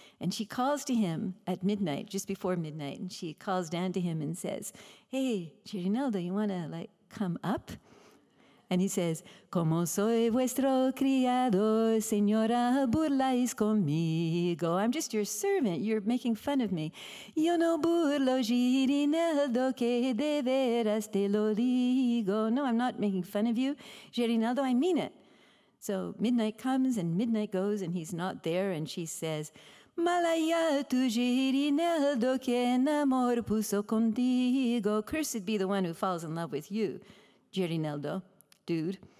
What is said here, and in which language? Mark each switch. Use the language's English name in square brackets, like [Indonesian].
[English] And she calls to him at midnight, just before midnight, and she calls down to him and says, hey, Gerineldo, you wanna like come up? And he says, [Spanish] como soy vuestro criado, señora, burláis conmigo. [English] I'm just your servant, you're making fun of me. [Spanish] Yo no burlo, Gerineldo, que de veras te lo digo. [English] No, I'm not making fun of you, Gerineldo, I mean it. So midnight comes and midnight goes and he's not there and she says, [Spanish] Malaya tu Gerineldo que en amor puso contigo. [English] Cursed be the one who falls in love with you, Gerineldo, dude.